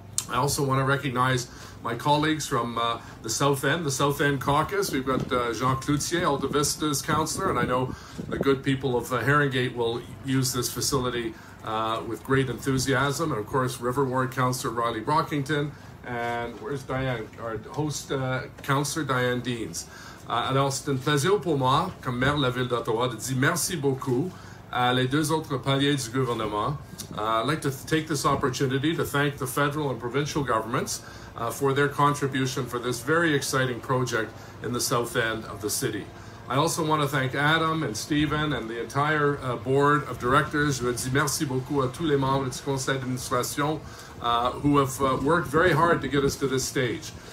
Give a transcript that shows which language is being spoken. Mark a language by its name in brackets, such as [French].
[English] I also want to recognize my colleagues from the South End Caucus. We've got Jean Cloutier, Alta Vista's councillor, and I know the good people of Haringate will use this facility with great enthusiasm. And of course, River Ward Councillor Riley Brockington, and where's Diane? Our host, Councillor Diane Deans. [French] Alors, c'est un plaisir pour moi, comme maire de la ville d'Ottawa, de dire merci beaucoup à les deux autres paliers du gouvernement. [English] I'd like to take this opportunity to thank the federal and provincial governments for their contribution for this very exciting project in the south end of the city. I also want to thank Adam and Stephen and the entire board of directors. [French] Je dis merci beaucoup à tous les membres du conseil d'administration [English] who have worked very hard to get us to this stage.